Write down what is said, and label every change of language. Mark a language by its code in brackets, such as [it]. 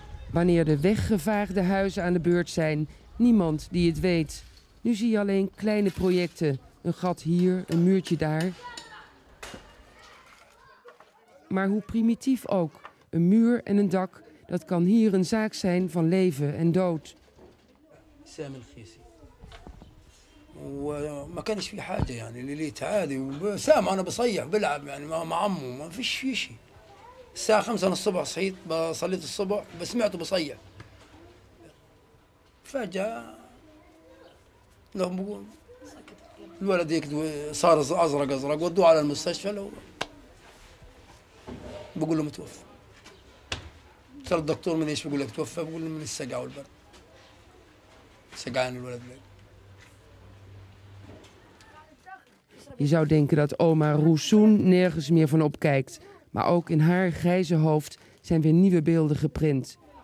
[nl] Wanneer de weggevaagde huizen aan de beurt zijn, niemand die het weet. Nu zie je alleen kleine projecten. Een gat hier, een muurtje daar. Maar hoe primitief ook, een muur en een dak, dat kan hier een zaak zijn van leven en dood. [ar] وما كانش في حاجة يعني اللي ليت عادي وسام أنا بصيح بلعب يعني مع عمه ما فيش في شيء الساعة 5 أنا الصبح صحيت بصليت الصبح بسمعته بصيح فجأة لهم بقول الولد صار أزرق أزرق ودوه على المستشفى لو بقول له متوفى سأل الدكتور من إيش بقول لك توفى بقول له من السقع والبرد سقعان الولد لك [nl] Je zou denken dat oma Roussoun nergens meer van opkijkt. Maar ook in haar grijze hoofd zijn weer nieuwe beelden geprint.